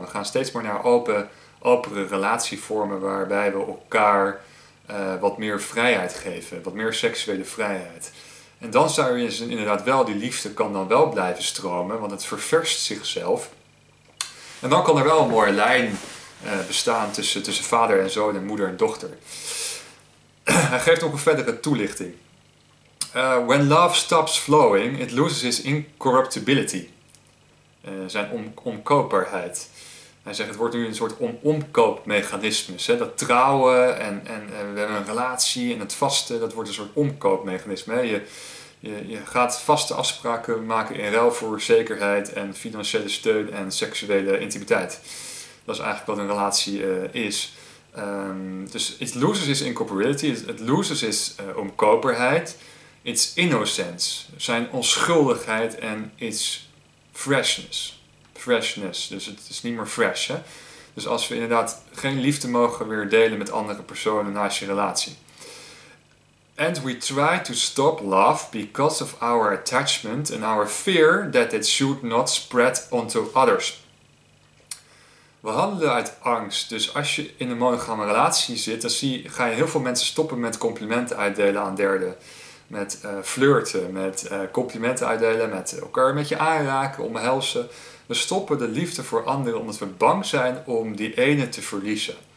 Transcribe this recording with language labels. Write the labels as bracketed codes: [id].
[nl] We gaan steeds maar naar opere relatievormen waarbij we elkaar wat meer vrijheid geven, wat meer seksuele vrijheid. En dan zou je inderdaad wel, die liefde kan dan wel blijven stromen, want het ververst zichzelf. En dan kan er wel een mooie lijn bestaan tussen vader en zoon en moeder en dochter. Hij geeft nog een verdere toelichting. [en] When love stops flowing, it loses its incorruptibility. [nl] Zijn onkoopbaarheid. Hij zegt, het wordt nu een soort omkoopmechanisme. Dat trouwen en we hebben een relatie en het vaste, dat wordt een soort omkoopmechanisme. Je gaat vaste afspraken maken in ruil voor zekerheid en financiële steun en seksuele intimiteit. Dat is eigenlijk wat een relatie is. Dus [en] it loses its incorporability, it loses its [nl] omkoperheid, [en] its innocence, [nl] zijn onschuldigheid en [en] its freshness. [nl] Freshness, dus het is niet meer fresh. Hè? Dus als we inderdaad geen liefde mogen meer delen met andere personen naast je relatie. [en] And we try to stop love because of our attachment and our fear that it should not spread onto others. [nl] We handelen uit angst. Dus als je in een monogame relatie zit, dan ga je heel veel mensen stoppen met complimenten uitdelen aan derden. Met flirten, met complimenten uitdelen, met elkaar een beetje aanraken, omhelzen. We stoppen de liefde voor anderen omdat we bang zijn om die ene te verliezen.